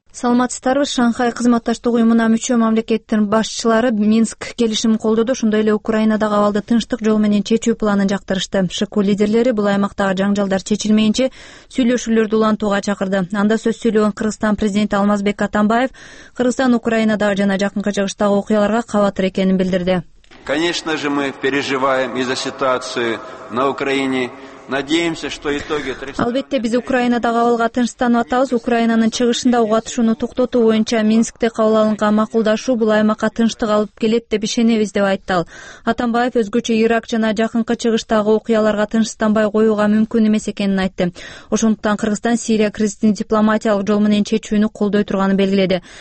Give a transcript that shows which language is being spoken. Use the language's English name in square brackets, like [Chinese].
[Kyrgyz] Саламатсыздарбы, Шанхай кызматташтык уюмуна мүчө мамлекеттин башчылары Минск келишимин колдоду, ошондой эле Украинадагы абалды тынчтык жолу менен чечүү планын жактырышты. ШКУ лидерлери бул аймактагы жаңжалдар чечилмейинче сүйлөшүүлөрдү улантууга чакырды. Анда сөз сүйлөгөн Кыргызстан президенти Алмазбек Атамбаев Кыргызстан Украинадагы жана жакынкы чыгыштагы окуяларга кабатыр экенин билдирди. [Russian] Конечно же, мы переживаем из-за ситуации на Украине. Надеемся, что итоги [Kyrgyz] Албетте биз Украинадагы абалга тынчтанып атабыз. Украинанын чыгышында угатышууну токтотуу боюнча Минскте кабыл алынган макулдашуу бул аймакка тынчтык алып келет деп ишенебиз деп айтты ал. Атамбаев өзгөчө Ирак жана жакынкы чыгыштагы окуяларга тынчтанбай коюуга мүмкүн эмес экенин айтты. Ошондуктан Кыргызстан Сирия кризисин дипломатиялык жол менен чечүүнү колдой турганын белгиледи.